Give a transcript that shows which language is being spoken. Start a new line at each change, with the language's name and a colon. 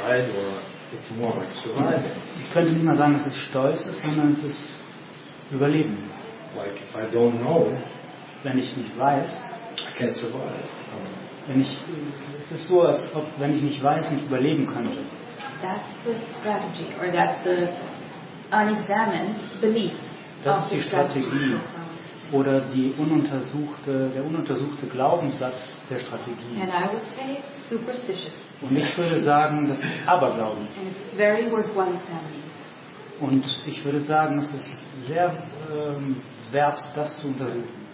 German: Ich könnte nicht mal sagen, dass es Stolz ist, sondern es ist Überleben.
English: Like if I don't know.
German: Wenn ich nicht weiß,
English: I can't survive.
German: Es ist so, als ob, wenn ich nicht weiß, nicht überleben könnte.
English: That's the strategy, or that's the unexamined belief.
German: Das ist die Strategie oder die ununtersuchte, der ununtersuchte Glaubenssatz der Strategie.
English: And I would say superstitious.
German: Und ich würde sagen, das ist Aberglauben.
English: And it's very worthwhile examining.
German: Und ich würde sagen, es ist sehr wert, das zu untersuchen.